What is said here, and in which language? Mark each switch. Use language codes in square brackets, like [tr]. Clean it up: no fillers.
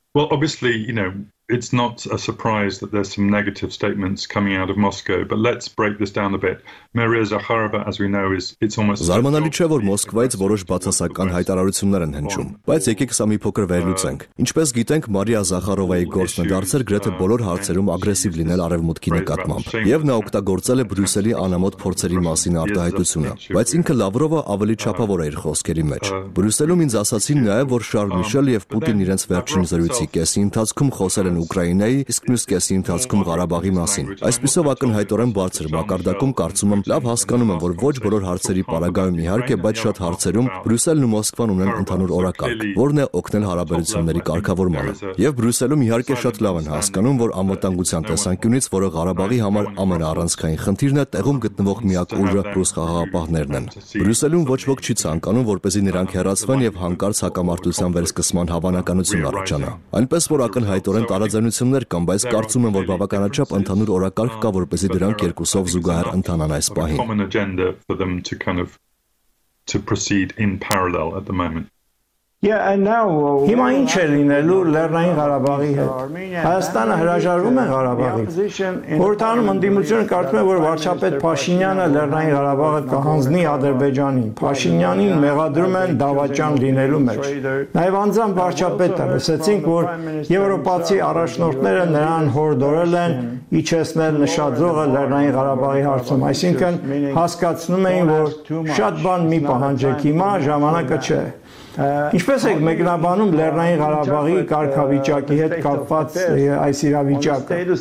[en] Well, obviously, you know, it's not a surprise that there's some negative statements coming out of Moscow, but let's break this down a bit. Maria Zakharova, as we know, is it's almost [hy] Զարմանալի չէ, որ Մոսկվայից որոշ բացասական հայտարարություններ են հնչում, բայց եկեք սա մի փոքր վերլուծենք։ Ինչպես գիտենք, Մարիա Զախարովայի գործն դարձր գրեթե բոլոր հարցերում ագրեսիվ լինել արևմուտքի նկատմամբ, եւ նա օգտագործել է Բրյուսելի անամոթ փորձերի մասին արտահայտությունը, բայց ինքը Լավրովը ավելի չափավոր է իր խոսքերի մեջ։ Բրյուսելում ինձ ասացին նաեւ, որ Շարլ Միշել եւ Պուտին իրենց վերջին զրույցի կեսի ընթացքում խոսել են Ուկրաինայի, իսկ մյուս կեսի ընթացքում Ղարաբաղի մասին։ Այսպիսով ակնհայտորեն բարձր մակարդակում կարծում լավ հասկանում եմ, որ ոչ բոլոր հարցերի պարագայում իհարկե, բայց շատ հարցերում Բրյուսելն ու Մոսկվան ունեն ընդհանուր օրակարգ, որն է օգնել հարաբերությունների կարգավորմանը։ Եվ Բրյուսելում իհարկե շատ լավ են հասկանում, որ անվտանգության տեսանկյունից, որը Ղարաբաղի համար ամենաառանցքային խնդիրն է, տեղում գտնվող միակ ուժը ռուս խաղաղապահներն են։ Բրյուսելում ոչ ոք չի ցանկանում, որպեսզի նրանք հեռացվեն եւ հանկարծ հակամարտության վերսկսման հավանականություն առաջանա։ Այնպես որ ակնհայտորեն տարաձայնություններ կան, բայց կարծում եմ, որ բավականաչափ ընդհանուր օրակարգ կա, որպեսզի դրանք երկուսով զուգահեռ ընթանան [en] a common agenda for them to kind of to proceed in parallel at the moment. Yeah, and now [hy] Հիմա ինչ է լինելու Լեռնային Ղարաբաղի հետ։ Հայաստանը հրաժարվում է Ղարաբաղի։ Խորհրդանում ընդդիմությունը կարծում է, որ վարչապետ Փաշինյանը Լեռնային Ղարաբաղը կհանձնի Ադրբեջանի։ Փաշինյանին մեղադրում են դավաճան լինելու մեջ։ Նաև անձամբ վարչապետը լսեցինք, որ եվրոպացի առաջնորդները նրան հորդորել են իջեցնել նշաձողը Լեռնային Ղարաբաղի հարցում, այսինքն հասկացնում էին, որ շատ բան մի պահանջեք, հիմա ժամանակը չէ։ Ինչպես եք մեկնաբանում Լեռնային Ղարաբաղի կարգավիճակի հետ կապված այս իրավիճակը։